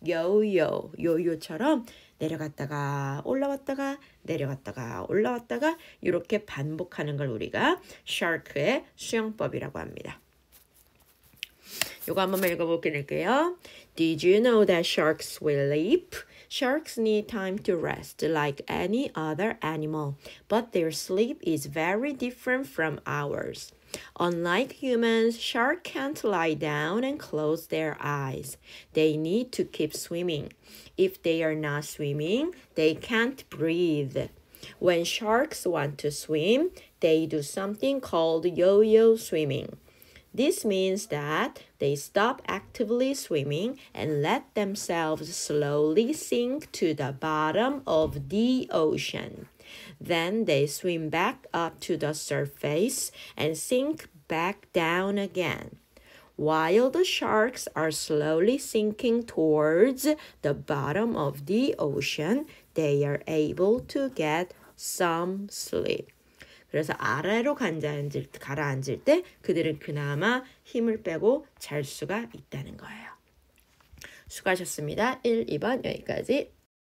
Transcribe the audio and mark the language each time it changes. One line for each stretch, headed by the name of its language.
Korean: 요요, 요요처럼 내려갔다가 올라왔다가 내려갔다가 올라왔다가 이렇게 반복하는 걸 우리가 샤크의 수영법이라고 합니다. 요거 한 번만 읽어볼게요.
English: Did you know that sharks sleep? Sharks need time to rest like any other animal, but their sleep is very different from ours. Unlike humans, sharks can't lie down and close their eyes. They need to keep swimming. If they are not swimming, they can't breathe. When sharks want to swim, they do something called yo-yo swimming. This means that they stop actively swimming and let themselves slowly sink to the bottom of the ocean. Then they swim back up to the surface and sink back down again. While the sharks are slowly sinking towards the bottom of the ocean, they are able to get some sleep.
Korean: 그래서 아래로 가라앉을 때 그들은 그나마 힘을 빼고 잘 수가 있다는 거예요. 수고하셨습니다. 1, 2번 여기까지.